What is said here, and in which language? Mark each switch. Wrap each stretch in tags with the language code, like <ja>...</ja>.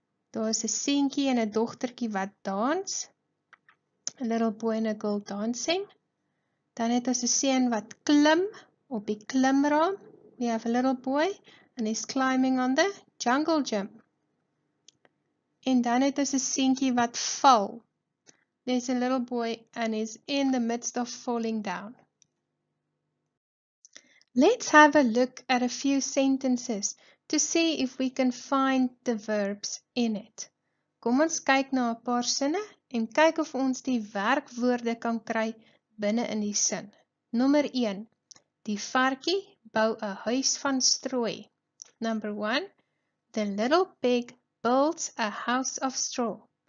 <af>Daar is 'n seentjie en 'n dogtertjie wat dans.</af> <en>A little boy and a girl dancing.</en> <af>Dan het ons 'n seun wat klim op die klimraam.</af> <en>We have a little boy and he's climbing on the jungle gym.</en> <af>En dan het ons 'n seentjie wat val.</af> <en>There's a little boy and he's in the midst of falling down. Let's have a look at a few sentences to see if we can find the verbs in it.</en> <af>Kom ons kyk na 'n paar sinne en kyk of ons die werkwoorde kan kry binne in die sin. Nommer 1. Die varkie bou 'n huis van strooi.</af> <en>Number 1. The little pig builds a house of straw.</en>